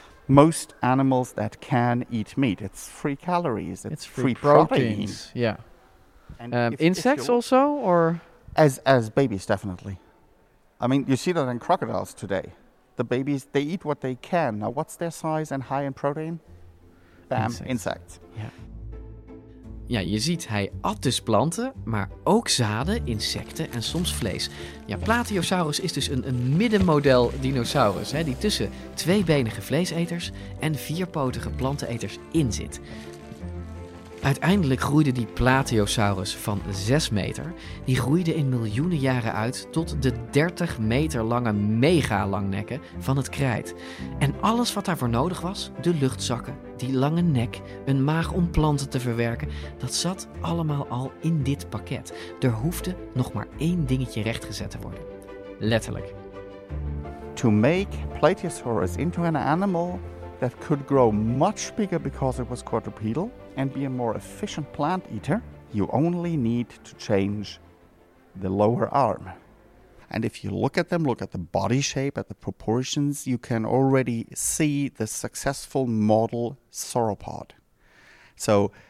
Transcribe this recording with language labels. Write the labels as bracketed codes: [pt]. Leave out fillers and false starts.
[en] Most animals that can eat meat, it's free calories, it's free proteins. Yeah. And insects also, or as babies, definitely. I mean, you see that in crocodiles today. The babies, they eat what they can. Now, what's their size and high in protein? Bam, insects. [nl] Ja, je ziet, hij at dus planten, maar ook zaden, insecten en soms vlees. Ja, Plateosaurus is dus een middenmodel dinosaurus, hè, die tussen tweebenige vleeseters en vierpotige planteneters in zit. Uiteindelijk groeide die Plateosaurus van 6 meter, die groeide in miljoenen jaren uit tot de 30 meter lange megalangnekken van het krijt. En alles wat daarvoor nodig was, de luchtzakken, die lange nek, een maag om planten te verwerken, dat zat allemaal al in dit pakket. Er hoefde nog maar één dingetje rechtgezet te worden. Letterlijk. [en] To make Plateosaurus into an animal that could grow much bigger because it was quadrupedal and be a more efficient plant eater, you only need to change the lower arm. And if you look at them, look at the body shape, at the proportions, you can already see the successful model sauropod. So